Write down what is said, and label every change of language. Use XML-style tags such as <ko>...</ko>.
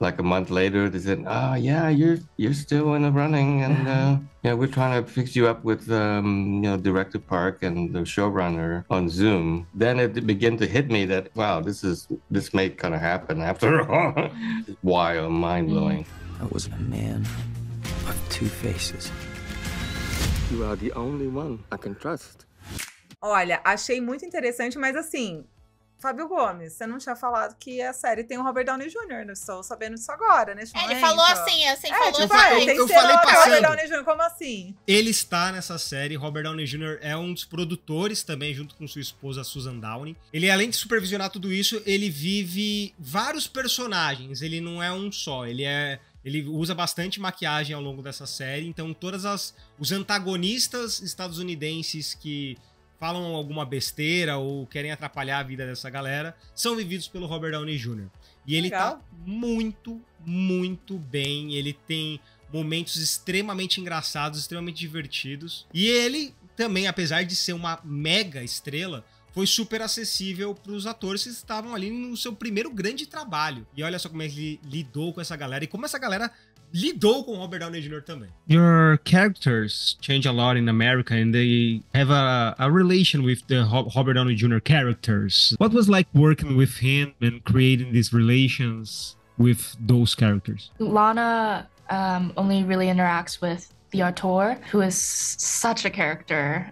<en>Like a month later, they said, oh yeah, you're still in the running and we're trying to fix you up with Director Park and the showrunner on Zoom. Then it began to hit me that, wow, this may kind of happen after all. Wild, mind-blowing. I was a man of two faces. You are the only one I can trust.</en> <pt>Olha, achei muito interessante, mas assim, Fábio Gomes, você não tinha falado que a série tem o Robert Downey Jr., né? Estou sabendo disso agora, né? Ele falou assim, eu falei passando. Como assim? Ele está nessa série, Robert Downey Jr. é um dos produtores também, junto com sua esposa, Susan Downey. Ele, além de supervisionar tudo isso, ele vive vários personagens, ele não é um só, ele é... Ele usa bastante maquiagem ao longo dessa série, então todas as os antagonistas estadunidenses que falam alguma besteira ou querem atrapalhar a vida dessa galera são vividos pelo Robert Downey Jr. E ele tá muito, muito bem. Ele tem momentos extremamente engraçados, extremamente divertidos. E ele também, apesar de ser uma mega estrela, foi super acessível para os atores que estavam ali no seu primeiro grande trabalho. E olha só como ele lidou com essa galera e como essa galera lidou com o Robert Downey Jr. também.</pt> <en>Your characters change a lot in America and they have a relation with the Robert Downey Jr. characters. What was like working with him and creating these relations with those characters? Lana only really interacts with the auteur, who is such a character.</en>